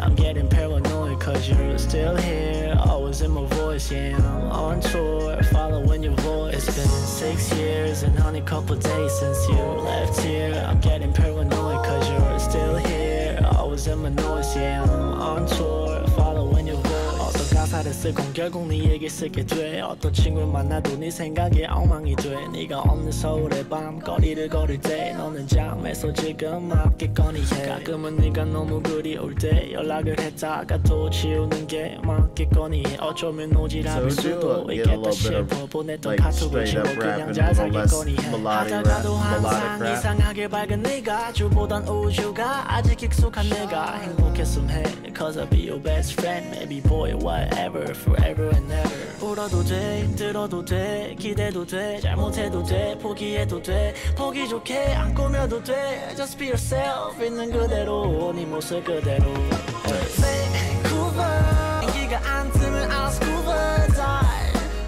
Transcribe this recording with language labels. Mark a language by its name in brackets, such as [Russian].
[English] I'm getting paranoid cause you're still here. Always in my voice, yeah, I'm on tour, following your voice. It's been 6 years and only a couple days since you left here. I'm getting paranoid cause you're still here. Always in my noise, yeah, I'm on tour, following your voice. [Korean] 가사를 쓰고 결국 네에게 쓰게 돼. 어떤 친구를 만나도 네 생각에 엉망이 돼. 네가 없는 서울의 밤 거리를 걸을 때 너는 잠에서 지금 막 깨거니 해. 가끔은 네가 너무 그리울 때 연락을 했다가 또 지우는 게 막 깨거니 해. 어쩌면 오지랖일 수도 있겠다 싶어 보냈던 카톡을 친구 그냥 잘 살겠거니 해. 하다가도 항상 이상하게 밝은 네가 주보단 우주가 아직 익숙한 내가 행복했음 해. [English] Cause I'll be your best friend, maybe boy, whatever, forever and ever. [Korean] 울어도 돼, 들어도 돼, 기대도 돼, 잘못해도 돼, 포기해도 돼, 보기 좋게 안 꾸며도 돼. [English] Just be yourself, [Korean] 있는 그대로, 네 모습 그대로. Vancouver, 인기가 안 뜨면 [English] I'll scuba dive.